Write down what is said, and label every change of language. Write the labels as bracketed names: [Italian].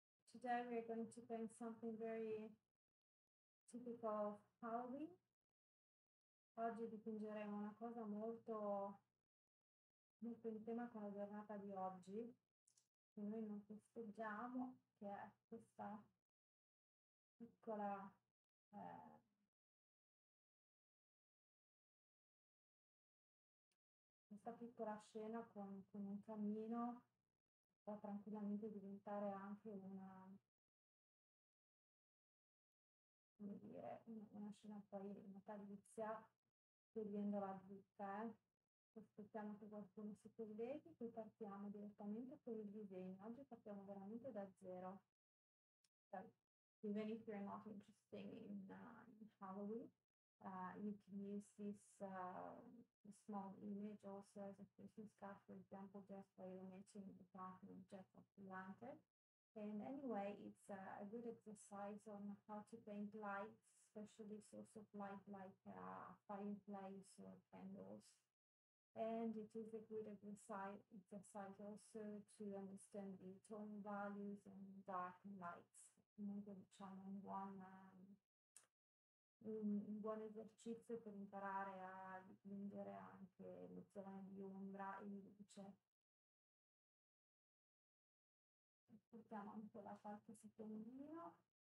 [English] Today we're going to paint something very typical of Halloween. [Italian] Oggi dipingeremo una cosa molto in tema con la giornata di oggi, che noi non festeggiamo, che è questa piccola questa piccola scena con un cammino può tranquillamente diventare anche una, come dire, una scena poi natalizia, chiedendo la zitta, aspettiamo che qualcuno si colleghi, poi partiamo direttamente con il disegno. Oggi partiamo veramente da zero. [English] Even if you're not interested in Halloween, you can use this small image also as a Christmas card, for example, just by omitting the part of Jack of the Lantern. And anyway, it's a good exercise on how to paint lights, especially sources of light like fireplace or candles. And it is a good exercise also to understand the tone values and dark and lights. [Italian] Noi diciamo un buon esercizio per imparare a dipingere anche le zone di ombra e di luce. Portiamo anche la parte secondina.